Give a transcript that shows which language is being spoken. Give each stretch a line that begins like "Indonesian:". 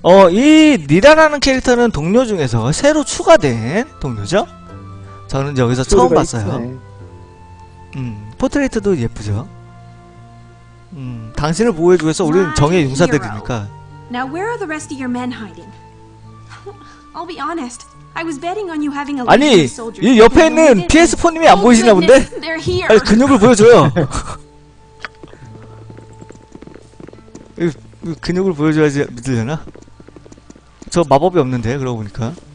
Korean: 이 니다라는 캐릭터는 동료 중에서 새로 추가된 동료죠? 저는 여기서 처음 봤어요. 포트레이트도 예쁘죠? 당신을 보호해 주어서 우리는 정의의 용사들이니까.
English: Now where are the rest of your men hiding? I'll be honest. I was betting on you having a soldier.
Korean: 아니, 이 옆에 있는 PS4 님이 안 보이시나 본데? 아니, 근육을 보여줘요. 근육을 보여줘야지 믿으려나? 저 마법이 없는데 그러고 보니까.